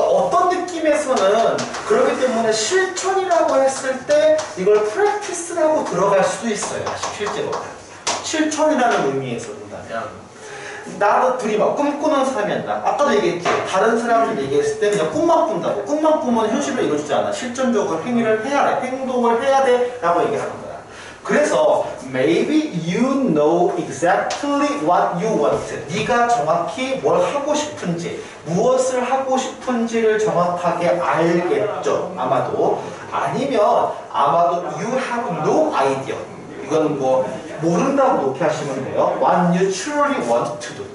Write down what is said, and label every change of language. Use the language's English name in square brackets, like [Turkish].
[Korean] 어떤 느낌에서는 그렇기 때문에 실천이라고 했을 때 이걸 프랙티스라고 들어갈 수도 있어요. 실제로 실천이라는 의미에서 본다면 나도 둘이 막 꿈꾸는 사람이었다. 아까도 얘기했지. 다른 사람들 얘기했을 때 그냥 꿈만 꾼다고. 꿈만 꾸면 현실로 이루어지지 않아. 실전적으로 행위를 해야 돼. 행동을 해야 돼. 라고 얘기하는 거야. 그래서 [English] maybe you know exactly what you want. [Korean] 네가 정확히 뭘 하고 싶은지, 무엇을 하고 싶은지를 정확하게 알겠죠. 아마도. 아니면 아마도 [English] you have no idea. [Korean] 이건 뭐 모른다고 높게 하시면 돼요. [English] What you truly want to do.